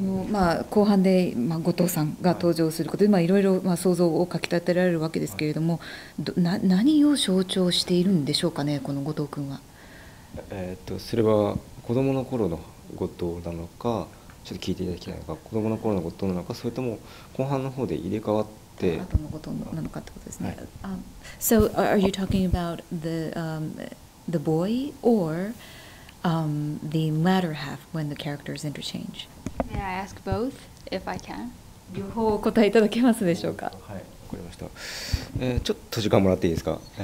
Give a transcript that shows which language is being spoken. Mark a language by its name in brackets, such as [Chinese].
[Japanese] まあ、後半で、まあ、後藤さんが登場することで、まあ、いろいろ、まあ、想像をかきたてられるわけですけれども、何を象徴しているんでしょうかね、この後藤君は。それは子供の頃の後藤なのか、ちょっと聞いていただきたいのか、子供の頃の後藤なのか、それとも後半の方で入れ替わって後の後藤なのかってことですね。はい。 [English] So are you talking about the boy or the latter half when the characters interchange? May I ask both, if I can? [Japanese] 両方お答えいただけますでしょうか。はい、わかりました。ちょっと時間もらっていいですか。